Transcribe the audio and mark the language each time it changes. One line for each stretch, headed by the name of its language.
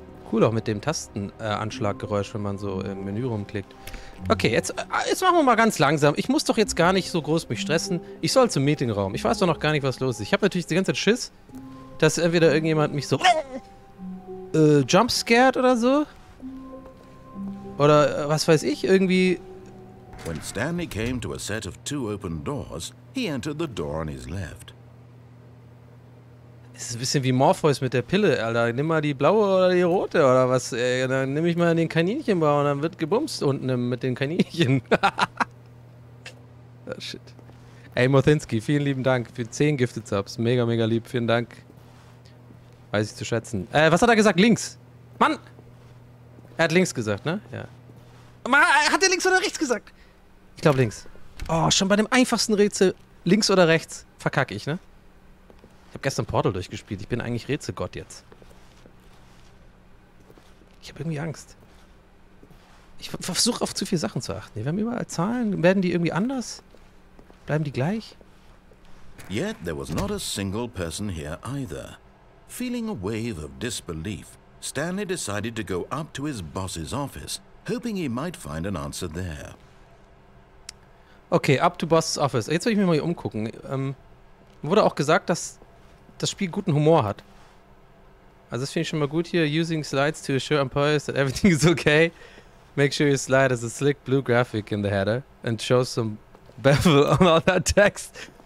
German: Cool auch mit dem Tastenanschlaggeräusch, wenn man so im Menü rumklickt. Okay, jetzt machen wir mal ganz langsam. Ich muss doch jetzt gar nicht so groß mich stressen. Ich soll zum Meetingraum. Ich weiß doch noch gar nicht, was los ist. Ich habe natürlich die ganze Zeit Schiss, dass entweder irgendjemand mich so jumpscared oder so. Oder was weiß ich, irgendwie...
English: When Stanley came to a set of two open doors, he entered the door on his left.
German: Es ist ein bisschen wie Morpheus mit der Pille, Alter. Nimm mal die blaue oder die rote oder was. Ey, dann nimm ich mal den Kaninchenbau und dann wird gebumst unten mit den Kaninchen. Oh, shit. Ey, Mothinski, vielen lieben Dank für 10 Gifted Subs. Mega, mega lieb. Vielen Dank. Weiß ich zu schätzen. Was hat er gesagt? Links. Mann! Er hat links gesagt, ne? Ja. Hat er links oder rechts gesagt? Ich glaube links. Oh, schon bei dem einfachsten Rätsel, links oder rechts, verkacke ich, ne? Ich habe gestern Portal durchgespielt. Ich bin eigentlich Rätselgott jetzt. Ich habe irgendwie Angst. Ich versuche auf zu viele Sachen zu achten. Wir haben überall Zahlen. Werden die irgendwie anders? Bleiben die gleich?
English: Yet there was not a single person here either. Feeling a wave of disbelief, Stanley decided to go up to his boss's office, hoping he might find an answer there.
German: Okay,
English: up to Boss's Office.
German: Jetzt will ich mich mal hier umgucken. Wurde auch gesagt, dass das Spiel guten Humor hat. Also das finde ich schon mal gut hier.
English: Using slides to assure employees that everything is okay. Make sure your slide has a slick blue graphic in the header and show some bevel on all that text.